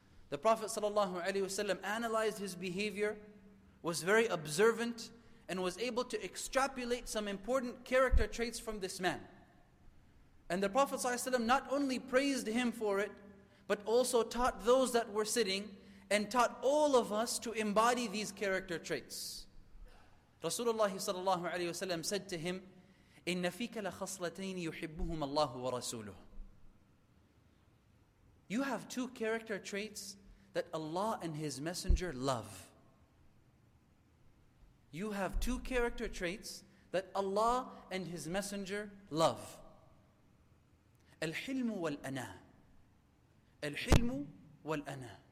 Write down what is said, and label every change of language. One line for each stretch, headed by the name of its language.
English: The Prophet ﷺ analyzed his behavior, was very observant, and was able to extrapolate some important character traits from this man. And the Prophet ﷺ not only praised him for it, but also taught those that were sitting, and taught all of us to embody these character traits.
Arabic: Rasulullah ﷺ
English: said to him,
Arabic: إِنَّ فِيكَ لَخَصْلَتَيْنِ يُحِبُّهُمَ اللَّهُ وَرَسُولُهُ.
English: You have two character traits that Allah and His Messenger love. You have two character traits that Allah and His Messenger love.
Arabic: Al-hilmu wal-ana. Al-hilmu wal-ana.